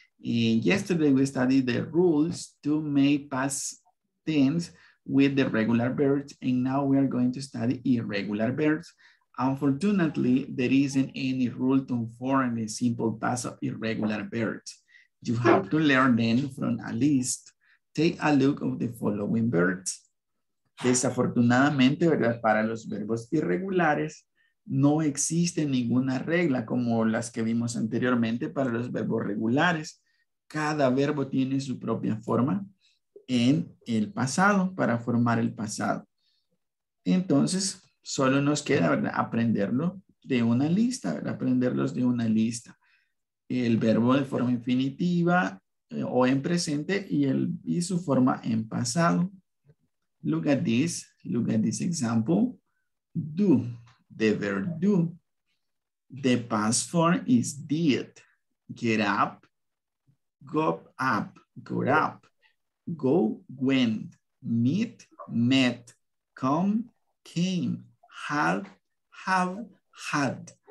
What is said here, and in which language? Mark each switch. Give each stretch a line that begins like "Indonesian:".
English: And yesterday we studied the rules to make past tense with the regular verbs, and now we are going to study irregular verbs. Unfortunately, there isn't any rule to form a simple past of irregular verbs. You have to learn them from a list. Take a look of the following verbs.
Spanish: Desafortunadamente, ¿verdad? Para los verbos irregulares, no existe ninguna regla como las que vimos anteriormente para los verbos regulares. Cada verbo tiene su propia forma en el pasado, para formar el pasado. Entonces, solo nos queda, ¿verdad? Aprenderlo de una lista, ¿verdad? Aprenderlos de una lista. El verbo de forma infinitiva o en presente y su forma en pasado.
English: Look at this example, do, the verb do. The past form is did, get up, go up, got up, go, went, meet, met, come, came, have, had.